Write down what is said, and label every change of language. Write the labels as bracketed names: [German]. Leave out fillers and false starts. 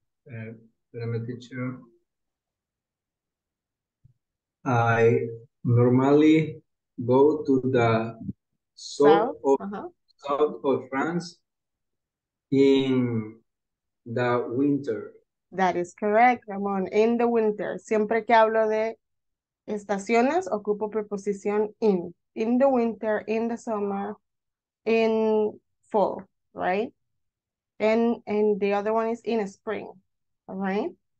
[Spanish] Espérame, teacher. [English] I normally go to the south of France in the winter. That is correct, Ramon. In the winter. [Spanish] Siempre que hablo de estaciones, ocupo preposición in. [English] In the winter, in the summer, in fall, right? And the other one is in spring, all right?